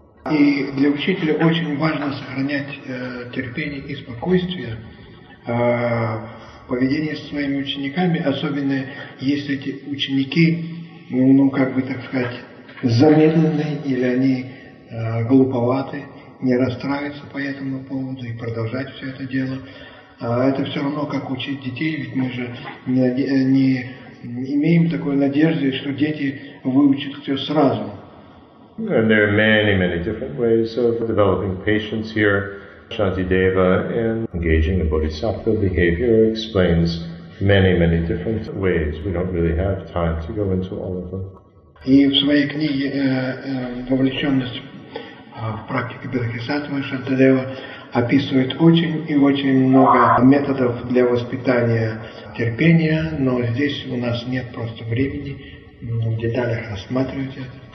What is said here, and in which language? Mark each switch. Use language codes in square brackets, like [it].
[ru] И для учителя очень важно сохранять терпение и спокойствие в поведении со своими учениками, особенно если эти ученики, ну как бы так сказать, замедленные или они глуповаты. Не расстраиваться по этому поводу и продолжать все это дело. Это все равно, как учить детей, ведь мы же не имеем такой надежды, что дети выучат все сразу. [en] And there are many, many different ways of developing patience here. Shantideva, in engaging in bodhisattva behavior, explains many, many different ways. We don't really have time to go into all of them. [ru] И в своей книге «Вовлеченность в практике бодхисаттвы» Шантадева описывает очень и очень много методов для воспитания терпения, но здесь у нас нет просто времени в деталях рассматривать это.